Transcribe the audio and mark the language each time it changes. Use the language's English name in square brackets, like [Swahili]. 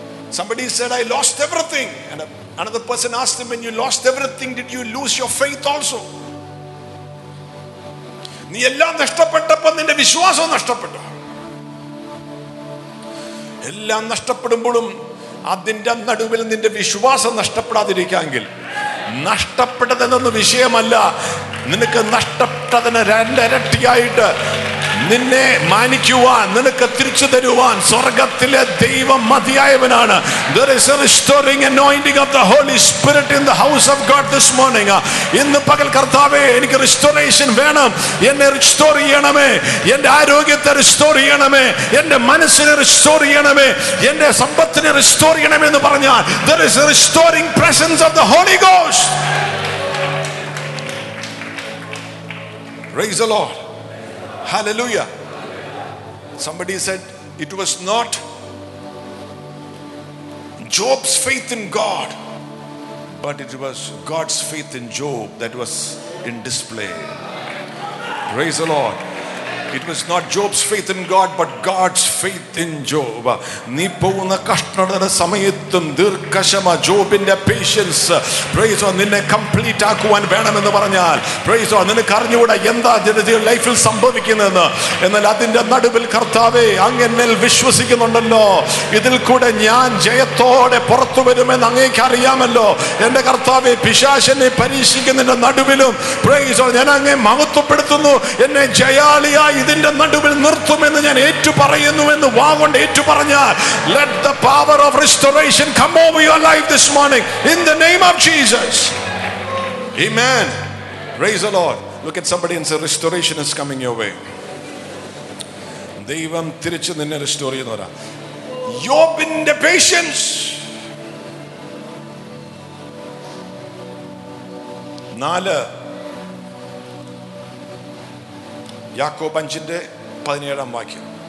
[English] Somebody said I lost everything, and another person asked him, when you lost everything did you lose your faith also? [Malayalam] നീ എല്ലാം നഷ്ടപ്പെട്ടപ്പോ നിന്റെ വിശ്വാസം നഷ്ടപ്പെട്ടു. എല്ലാം നഷ്ടപ്പെടുമ്പോഴും അതിന്റെ നടുവിൽ നിന്റെ വിശ്വാസം നഷ്ടപ്പെടാതിരിക്കാമെങ്കിൽ, നഷ്ടപ്പെട്ടതെന്നൊന്നും വിഷയമല്ല, നിനക്ക് നഷ്ടപ്പെട്ടതിന് രണ്ടരട്ടിയായിട്ട് നിന്നെ മാനിക്കുവാൻ, നിനക്ക് തിരിച്ചു തരുവാൻ സ്വർഗത്തിലെ ദൈവം മതിയായവനാണ്. [English] There is a restoring anointing of the Holy Spirit in the house of God this morning. [Malayalam] ഇന്ന് പകൽ കർത്താവേ എനിക്ക് റിസ്റ്റോറേഷൻ വേണം, എന്നെ റിസ്റ്റോർ ചെയ്യണമേ, എന്റെ ആരോഗ്യത്തെ റിസ്റ്റോർ ചെയ്യണമേ, എന്റെ മനസ്സിനെ റിസ്റ്റോർ ചെയ്യണമേ, എന്റെ സമ്പത്തിനെ റിസ്റ്റോർ ചെയ്യണമേ എന്ന് പറഞ്ഞാൽ [English] There is a restoring presence of the Holy Ghost. Praise the Lord. Hallelujah. Somebody said it was not Job's faith in God, but it was God's faith in Job that was in display. Praise the Lord. It was not Job's faith in God, but God's faith in Job. [Malayalam] നീ പോകുന്ന കഷ്ടതയുടെ സമയത്തും ദീർഘക്ഷമ, ജോബിന്റെ patients, price on, നിന്നെ complete ആക്കുവാൻ വേണമെന്ന് പറഞ്ഞാൽ, price on, നിനക്ക് അറിഞ്ഞുകൂടെ എന്താ ജനതയുടെ ലൈഫിൽ സംഭവിക്കുന്നതെന്ന്. എന്നാൽ അതിന്റെ നടുവിൽ കർത്താവേ അങ്ങനെ വിശ്വസിക്കുന്നുണ്ടല്ലോ, ഇതിൽ കൂടെ ഞാൻ ജയത്തോടെ പുറത്തു വരുമെന്ന് അങ്ങേക്ക് അറിയാമല്ലോ. എന്റെ കർത്താവേ പിശാചനെ പരീക്ഷിക്കുന്നതിന്റെ നടുവിലും, പ്രൈസ് ഓൺ, ഞാൻ അങ്ങേ മഹത്വപ്പെടുത്തുന്നു, എന്നെ ജയാളി ഇതിന്റെ നടുവിൽ നിർത്തുമെന്ന് ഞാൻ ഏറ്റുപറയുന്നു എന്ന് വാ കൊണ്ട് ഏറ്റുപറഞ്ഞാൽ, [English] let the power of restoration come over your life this morning in the name of Jesus. Amen. Praise the Lord. Look at somebody and say restoration is coming your way. [Malayalam] ദൈവം തിരിച്ചു നിന്നെ റിസ്റ്റോർ ചെയ്യുന്നവരാ. യോബിന്റെ പേഷ്യൻസ് നാല്, യാക്കോബ് 5:17 വാക്യം.